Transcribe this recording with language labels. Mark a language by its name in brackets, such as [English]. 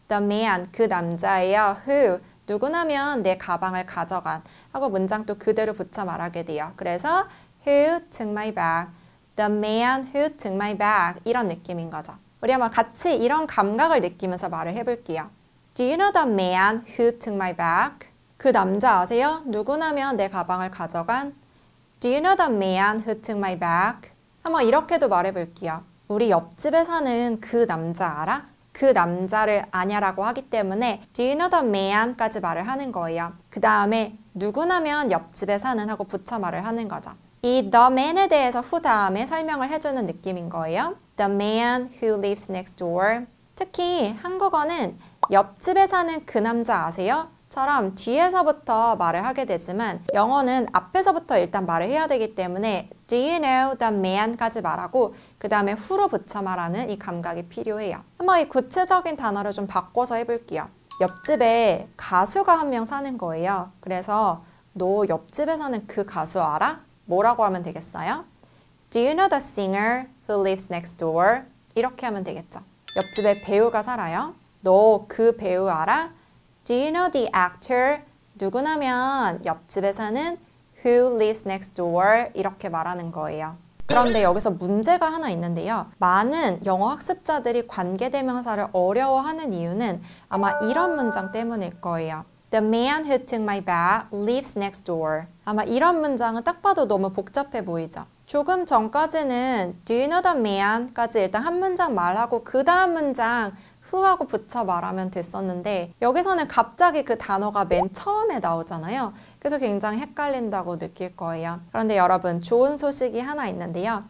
[English] The man, [Korean] 그 남자예요. Who, 누구냐면 내 가방을 가져간. 하고 문장 또 그대로 붙여 말하게 돼요. 그래서 [English] Who took my bag? The man who took my bag. [Korean] 이런 느낌인 거죠. 우리 한번 같이 이런 감각을 느끼면서 말을 해볼게요. [English] Do you know the man who took my bag? [Korean] 그 남자 아세요? 누구냐면 내 가방을 가져간. [English] Do you know the man who took my bag? [Korean] 한번 이렇게도 말해볼게요. 우리 옆집에 사는 그 남자 알아? 그 남자를 아냐라고 하기 때문에 [English] Do you know the man [Korean] 까지 말을 하는 거예요. 그 다음에 누구냐면 옆집에 사는 하고 붙여 말을 하는 거죠. 이 the man에 대해서 who 다음에 설명을 해주는 느낌인 거예요. [English] The man who lives next door. [Korean] 특히 한국어는 옆집에 사는 그 남자 아세요? 처럼 뒤에서부터 말을 하게 되지만 영어는 앞에서부터 일단 말을 해야 되기 때문에 [English] Do you know the man [Korean] 까지 말하고 그 다음에 who로 붙여 말하는 이 감각이 필요해요. 한번 이 구체적인 단어를 좀 바꿔서 해볼게요. 옆집에 가수가 한명 사는 거예요. 그래서 너 옆집에 사는 그 가수 알아? 뭐라고 하면 되겠어요? [English] Do you know the singer who lives next door? [Korean] 이렇게 하면 되겠죠. 옆집에 배우가 살아요. 너그 배우 알아? [English] Do you know the actor? [Korean] 누구냐면 옆집에 사는 [English] who lives next door? [Korean] 이렇게 말하는 거예요. 그런데 여기서 문제가 하나 있는데요. 많은 영어 학습자들이 관계대명사를 어려워하는 이유는 아마 이런 문장 때문일 거예요. [English] The man who took my bag lives next door. [Korean] 아마 이런 문장은 딱 봐도 너무 복잡해 보이죠? 조금 전까지는 [English] Do you know the man? [Korean] 까지 일단 한 문장 말하고 그 다음 문장 후하고 붙여 말하면 됐었는데 여기서는 갑자기 그 단어가 맨 처음에 나오잖아요. 그래서 굉장히 헷갈린다고 느낄 거예요. 그런데 여러분 좋은 소식이 하나 있는데요.